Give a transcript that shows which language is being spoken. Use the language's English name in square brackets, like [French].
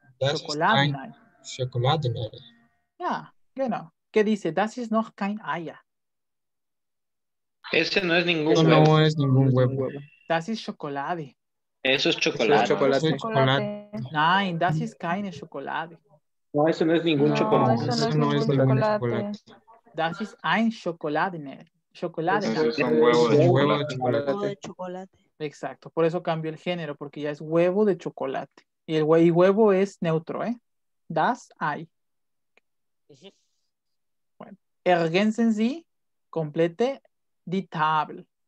[German] Schokoladenei. Ja, genau. [Spanish] ¿Qué dice? [German] Das ist noch kein Eier. [Spanish] Ese no es ningún huevo. No es ningún huevo. [German] Das ist Schokolade. [Spanish] Eso es chocolate. [German] Nein, das ist keine Schokolade. [Spanish] No, eso no es ningún chocolate. Eso no es ningún chocolate. [German] Das ist ein Schokoladenei. [Spanish] Chocolate. Es un huevo de chocolate. Exacto, por eso cambió el género, porque ya es huevo de chocolate. Y el huevo es neutro, ¿eh? [German] Das ei. [Spanish] Bueno, [German] ergänzen Sie, [Spanish] complete [German] die Tabel.